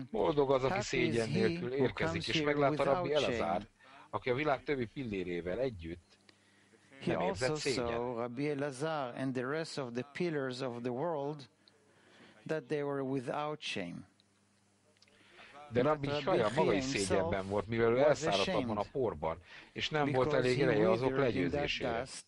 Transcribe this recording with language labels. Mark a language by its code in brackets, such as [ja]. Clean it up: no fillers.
[hu] Boldog az, aki szégyen nélkül érkezik, és meglát a Rabbi Elazar, aki a világ többi pillérével együtt nem érzett szégyen. [en] He also saw Rabbi Elazar and the rest of the pillars of the world that they were without shame. [hu] De Rabbi Hiya maga is szégyenben volt, mivel ő elszáradt abban a porban, és nem volt elég ereje azok legyőzésére.